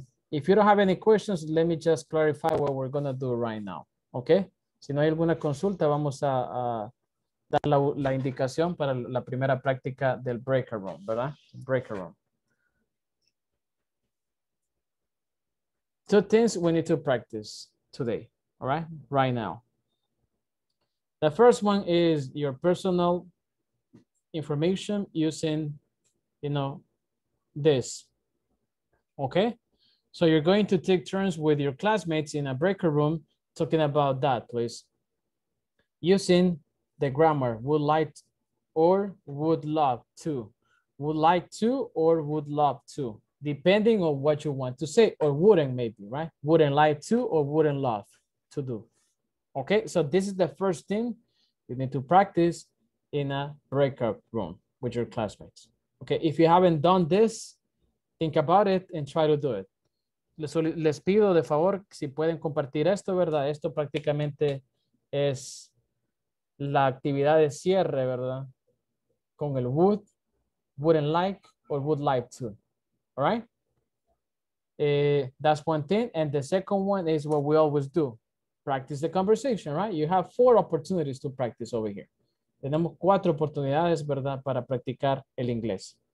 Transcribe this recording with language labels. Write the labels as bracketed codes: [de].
[en] If you don't have any questions, let me just clarify what we're going to do right now, okay? [es] Si no hay alguna consulta, vamos a dar la indicación para la primera práctica del breakout room, ¿verdad? [en] Breakout room. Two things we need to practice today, all right? Right now. The first one is your personal information using, you know, this, okay? So you're going to take turns with your classmates in a breakout room talking about that, please. Using the grammar, would like or would love to. Would like to or would love to. Depending on what you want to say, or wouldn't maybe, right? Wouldn't like to or wouldn't love to do. Okay, so this is the first thing you need to practice in a breakout room with your classmates. Okay, if you haven't done this, think about it and try to do it. [es] Les pido de favor si pueden compartir esto, ¿verdad? Esto prácticamente es la actividad de cierre, ¿verdad? Con el [en] would, wouldn't like, or would like to. All right, that's one thing. And the second one is what we always do. Practice the conversation, right? You have four opportunities to practice over here. [es] Tenemos cuatro oportunidades, ¿verdad? Para practicar el inglés.